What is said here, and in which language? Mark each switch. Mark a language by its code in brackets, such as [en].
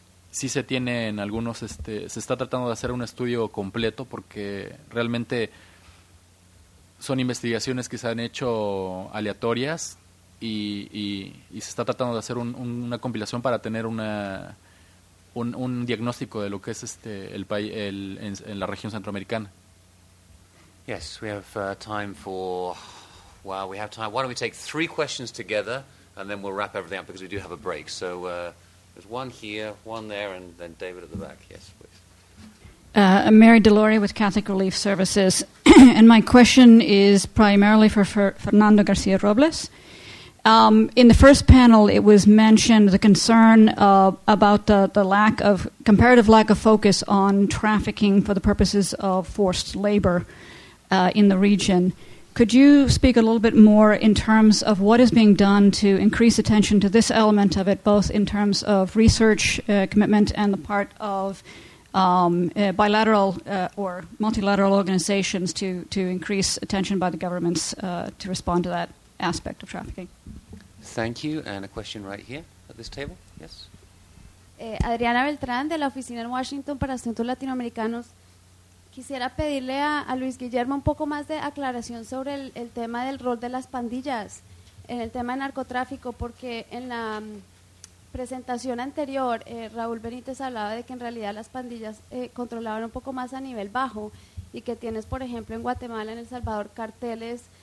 [es] Sí se tiene en algunos, se está tratando de hacer un estudio completo, porque realmente son investigaciones que se han hecho aleatorias y se está tratando de hacer una compilación para tener un diagnóstico de lo que es el país en la región centroamericana. [en] Yes, we have time for... Wow, we have time. Why don't we take three questions together, and then we'll wrap everything up, because we do have a break. So there's one here, one there, and then David at the back. Yes, please. Mary DeLore with Catholic Relief Services. And my question is primarily for Fernando Garcia Robles. In the first panel, it was mentioned the concern about the comparative lack of focus on trafficking for the purposes of forced labor in the region. Could you speak a little bit more in terms of what is being done to increase attention to this element of it, both in terms of research commitment and the part of bilateral or multilateral organizations to increase attention by the governments to respond to that aspect of trafficking? Thank you. And a question right here at this table. Yes. [es] Adriana Beltrán, de la Oficina en Washington para Asuntos Latinoamericanos. Quisiera pedirle a Luis Guillermo un poco más de aclaración sobre el tema del rol de las pandillas en el tema de narcotráfico, porque en la presentación anterior Raúl Benítez hablaba de que en realidad las pandillas controlaban un poco más a nivel bajo, y que tienes, por ejemplo, en Guatemala, en El Salvador, carteles